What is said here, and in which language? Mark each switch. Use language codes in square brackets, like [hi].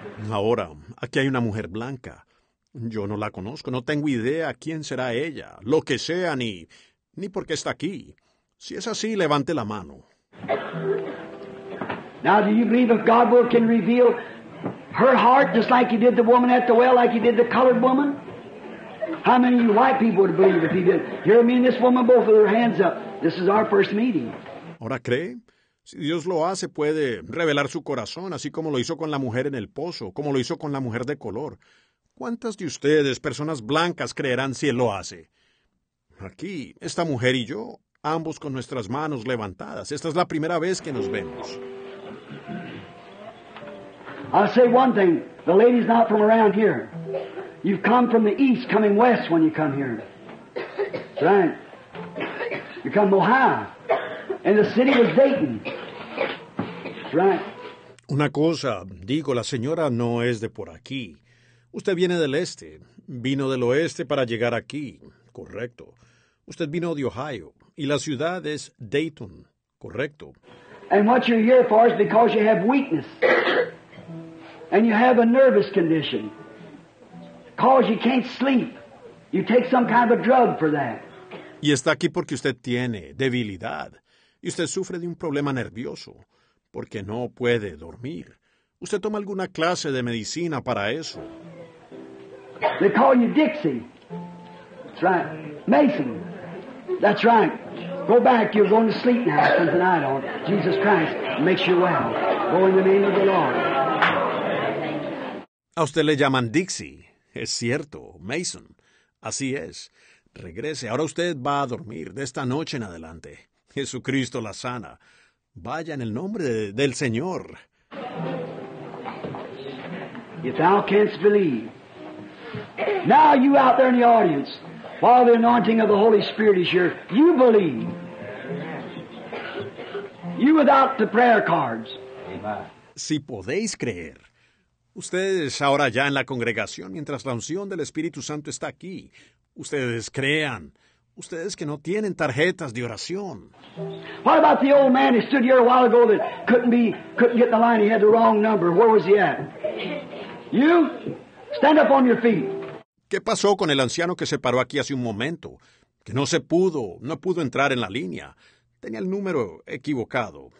[es] Ahora, aquí hay una mujer blanca. Yo no la conozco. No tengo idea quién será ella, lo que sea, ni por qué está aquí. Si es así, levante la mano. [en] Now, do you believe if God will can reveal her heart just like He did the woman at the well, like He did the colored woman? How many of you white people would believe if He did? Here, me and this woman both with her hands up. This is our first meeting. [es] ¿Ahora cree? Si Dios lo hace, puede revelar su corazón, así como lo hizo con la mujer en el pozo, como lo hizo con la mujer de color. ¿Cuántas de ustedes, personas blancas, creerán si Él lo hace? Aquí, esta mujer y yo, ambos con nuestras manos levantadas. Esta es la primera vez que nos vemos. [en] I'll say one thing. The lady's not from around here. You've come from the east, coming west when you come here. Right. become more high. And the city was Dayton. Right. [es] Una cosa, digo, la señora no es de por aquí. Usted viene del este. Vino del oeste para llegar aquí. Correcto. Usted vino de Ohio. Y la ciudad es Dayton. Correcto. [en] And what you're here for is because you have weakness. And you have a nervous condition. Because you can't sleep. You take some kind of a drug for that. [es] Y está aquí porque usted tiene debilidad. Y usted sufre de un problema nervioso. Porque no puede dormir. Usted toma alguna clase de medicina para eso. [en] They call you Dixie. That's right. Mason. That's right. Go back. You're going to sleep now. Spend the night on Jesus Christ makes you well. Go in the name of the Lord. [es] A usted le llaman Dixie. Es cierto, Mason. Así es. Regrese. Ahora usted va a dormir de esta noche en adelante. Jesucristo la sana. Vaya en el nombre del Señor. [en] If thou canst believe. Now you out there in the audience, while the anointing of the Holy Spirit is here, you believe. You without the prayer cards. [es] Si podéis creer. Ustedes ahora ya en la congregación, mientras la unción del Espíritu Santo está aquí. Ustedes crean. Ustedes que no tienen tarjetas de oración. [en] What about the old man who stood here a while ago that couldn't get the line, he had the wrong number? Where was he at? You? Stand up on your feet. [es] ¿Qué pasó con el anciano que se paró aquí hace un momento? Que no pudo entrar en la línea. Tenía el número equivocado.